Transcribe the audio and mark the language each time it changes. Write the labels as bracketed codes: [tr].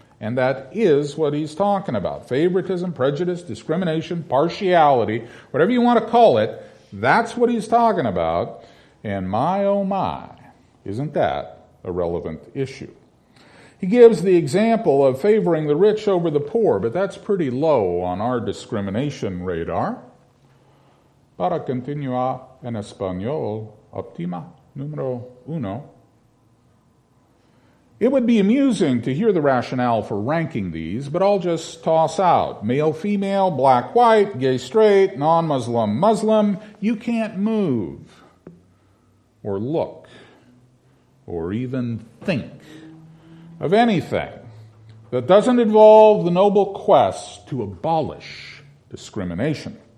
[en] And that is what he's talking about. Favoritism, prejudice, discrimination, partiality, whatever you want to call it, that's what he's talking about. And my, oh my. Isn't that a relevant issue? He gives the example of favoring the rich over the poor, but that's pretty low on our discrimination radar. [es] Para continuar en español, optima número uno. [en] It would be amusing to hear the rationale for ranking these, but I'll just toss out male, female, black, white, gay, straight, non-Muslim, Muslim. You can't move or look or even think of anything that doesn't involve the noble quest to abolish discrimination.